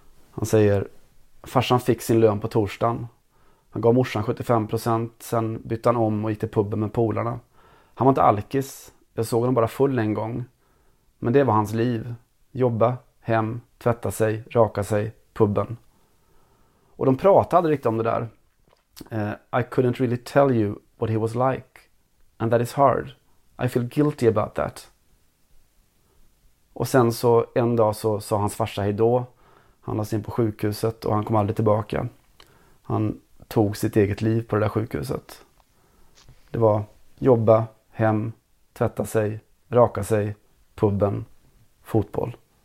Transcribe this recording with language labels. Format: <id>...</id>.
<sv>Han säger, farsan fick sin lön på torsdagen. Han gav morsan 75%, sen bytte han om och gick till pubben med polarna. Han var inte alkis, jag såg honom bara full en gång. Men det var hans liv. Jobba, hem, tvätta sig, raka sig, pubben. Och de pratade riktigt om det där.</sv> <en>I couldn't really tell you what he was like. And that is hard. I feel guilty about that.</en> <sv>Och sen så en dag så sa hans farsa hejdå. Han lades in på sjukhuset och han kom aldrig tillbaka. Han tog sitt eget liv på det där sjukhuset. Det var jobba, hem, tvätta sig, raka sig, pubben, fotboll.</sv>